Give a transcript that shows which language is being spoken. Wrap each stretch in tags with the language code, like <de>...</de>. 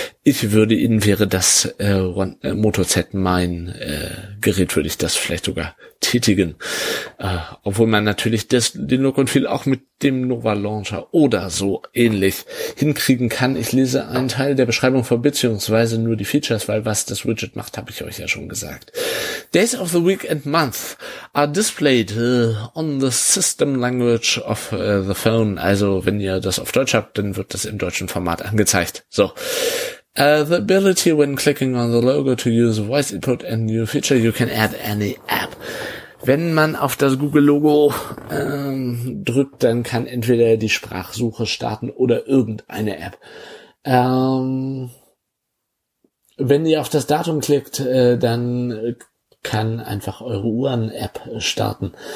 <de>Ich würde Ihnen, wäre das Moto Z mein Gerät, würde ich das vielleicht sogar tätigen. Obwohl man natürlich das, den Look und Feel auch mit dem Nova Launcher oder so ähnlich hinkriegen kann. Ich lese einen Teil der Beschreibung vor, beziehungsweise nur die Features, weil was das Widget macht, habe ich euch ja schon gesagt.</de> <en>Days of the week and month are displayed on the system language of the phone.</en> <de>Also wenn ihr das auf Deutsch habt, dann wird das im deutschen Format angezeigt. So.</de> <en>The ability when clicking on the logo to use voice input and new feature, you can add any app.</en> <de>Wenn man auf das Google-Logo drückt, dann kann entweder die Sprachsuche starten oder irgendeine App. Wenn ihr auf das Datum klickt, dann kann einfach eure Uhren-App starten.</de>